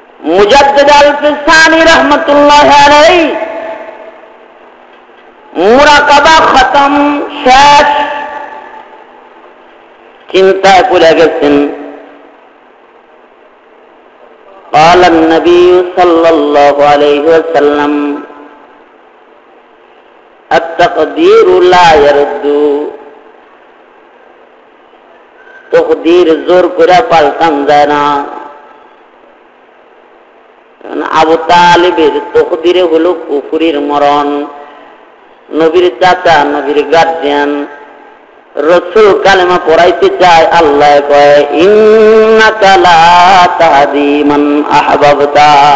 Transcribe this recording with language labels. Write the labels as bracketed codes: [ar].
[bn] মুজাদ্দিদ আল-কুফানি রহমতুল্লাহ আলাইহি মুরাকাবা খতম শেষ চিন্তায় পড়ে গেছেন। [ar] قال النبي صلى الله عليه وسلم التقدير لا يرد, تقدير [bn] زور করে পালটান যায় না। আবু তালিবের তকদিরে হলো কুফরির মরণ, নবীর চাচা, নবীর গার্জিয়ান রসুল কালেমা পড়াইতে চায়, আল্লাহ কয় [ar] ইন্নাকা লা তাহদি মান আহবাবতা,